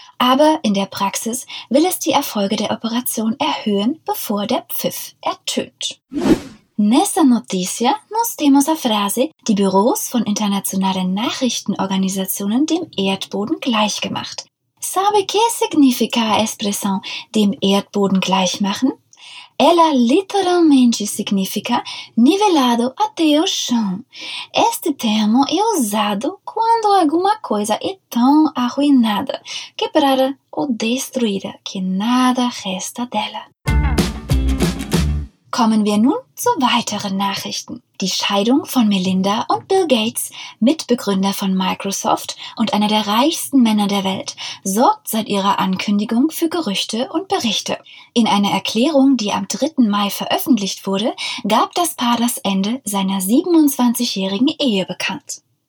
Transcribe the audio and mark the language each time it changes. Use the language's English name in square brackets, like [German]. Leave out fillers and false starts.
[German] Aber in der Praxis will es die Erfolge der Operation erhöhen, bevor der Pfiff ertönt. [Portuguese] Nessa Notizia, nos temos a frase, [German] die Büros von internationalen Nachrichtenorganisationen dem Erdboden gleichgemacht. [Portuguese] Sabe que significa expressão, [German] dem Erdboden gleichmachen? [Portuguese] Ela literalmente significa nivelado até o chão. Este termo é usado quando alguma coisa é tão arruinada, quebrada ou destruída, que nada resta dela. [German] Kommen wir nun zu weiteren Nachrichten. Die Scheidung von Melinda und Bill Gates, Mitbegründer von Microsoft und einer der reichsten Männer der Welt, sorgt seit ihrer Ankündigung für Gerüchte und Berichte. In einer Erklärung, die am 3. Mai veröffentlicht wurde, gab das Paar das Ende seiner 27-jährigen Ehe bekannt.